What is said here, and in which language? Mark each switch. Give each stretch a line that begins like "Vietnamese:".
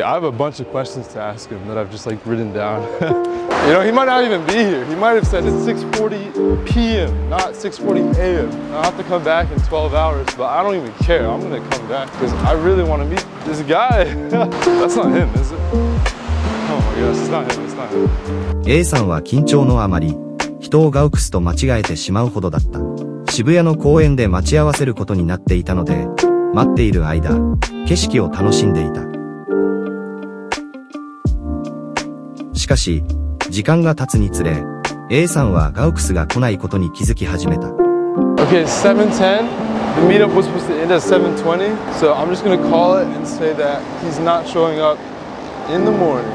English: I have a bunch of questions to ask him that I've just like written down. You know, he might not even be here. He might have said it's 6:40 p.m. not 6:40 a.m. I'll have to come back in 12 hours, but I don't even care. I'm gonna come back because I really want to meet this guy. That's not him, is it? Oh my gosh, it's not him, it's not him.
Japanese: A-san は緊張のあまり人をガウクスと間違えてしまうほどだった。渋谷の公園で待ち合わせることになっていたので、待っている間、景色を楽しんでいた。しかし、時間が経つにつれ、A さんはガウクスが来ないことに気づき始めた。
English: Okay, 7:10. The meetup was supposed to end at 7:20, so I'm just gonna call it and say that he's not showing up in the morning.